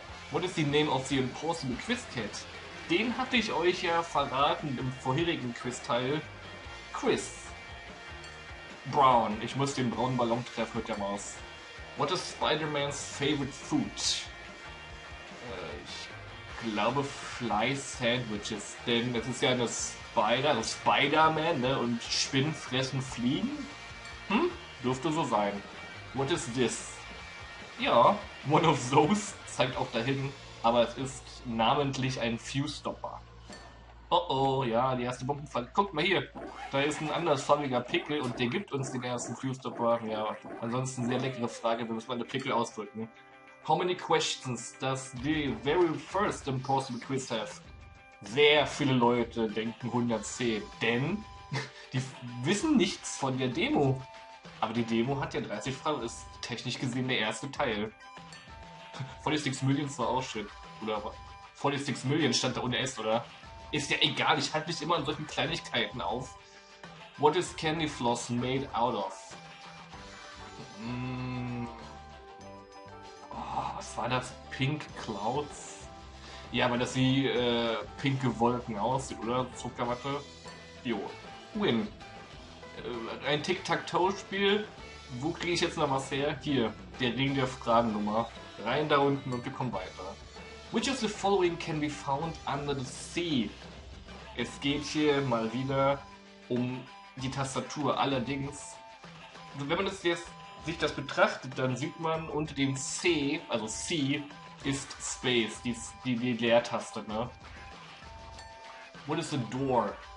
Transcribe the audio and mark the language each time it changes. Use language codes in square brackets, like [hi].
[en] What is the name of the impossible quiz cat? [de] Den hatte ich euch ja verraten im vorherigen Quiz-Teil. Quiz. Brown. Ich muss den braunen Ballon treffen mit der Maus. [en] What is Spider-Man's favorite food? [de] Ich glaube Fly Sandwiches. Denn es ist ja eine Spider-Man, ne? Und Spinnen fressen Fliegen? Hm? Dürfte so sein. [en] What is this? [de] Ja, [en] one of those. [de] Zeigt auch dahin. Aber es ist namentlich ein Fuse-Stopper. Oh oh, ja, die erste Bombenfalle. Guck mal hier, da ist ein andersfarbiger Pickel und der gibt uns den ersten Fuse-Stopper. Ja, ansonsten sehr leckere Frage, wir müssen mal eine Pickel ausdrücken. [en] How many questions does the very first impossible quiz have? [de] Sehr viele Leute denken 110, denn die wissen nichts von der Demo. Aber die Demo hat ja 30 Fragen, ist technisch gesehen der erste Teil. 46 Millionen war auch schön. Oder 46 Millionen stand da ohne S, oder? Ist ja egal, ich halte mich immer an solchen Kleinigkeiten auf. [en] What is Candy Floss made out of? [de] Oh, was war das? Pink Clouds? Ja, weil das wie pinke Wolken aussieht, oder? Zuckerwatte? Jo. Win. Ein Tic-Tac-Toe-Spiel. Wo kriege ich jetzt noch was her? Hier, der Ring der Fragennummer. Rein da unten und wir kommen weiter. [en] Which of the following can be found under the sea? [de] Es geht hier mal wieder um die Tastatur. Allerdings, wenn man das jetzt sich das betrachtet, dann sieht man unter dem C, also C, ist Space, die Leertaste, ne? [en] What is a door?